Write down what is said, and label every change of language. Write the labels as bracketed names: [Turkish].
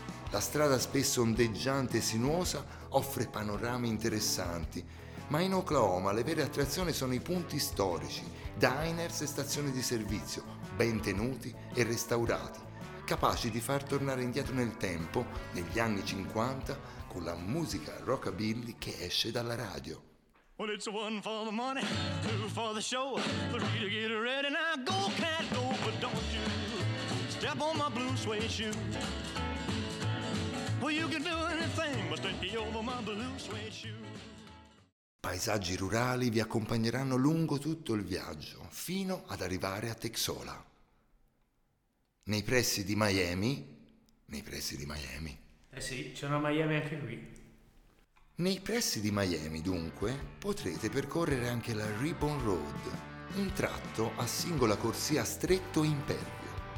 [Italian] La strada spesso ondeggiante e sinuosa offre panorami interessanti, ma in Oklahoma le vere attrazioni sono i punti storici, diners e stazioni di servizio, ben tenuti e restaurati, capaci di far tornare indietro nel tempo, negli anni 50, con la musica rockabilly che esce dalla radio. [English] Well, it's one for the money, two for the show, three to get ready, now go, cat, go, but don't you step on my blue suede shoe. Well, you can do anything, but stay over my blue suede shoe. [Italian] Paesaggi rurali vi accompagneranno lungo tutto il viaggio, fino ad arrivare a Texola. Nei pressi di Miami. Eh sì, c'è una Miami anche qui. Nei pressi di Miami, dunque, potrete percorrere anche la Ribbon Road, un tratto a singola corsia stretto e impervio.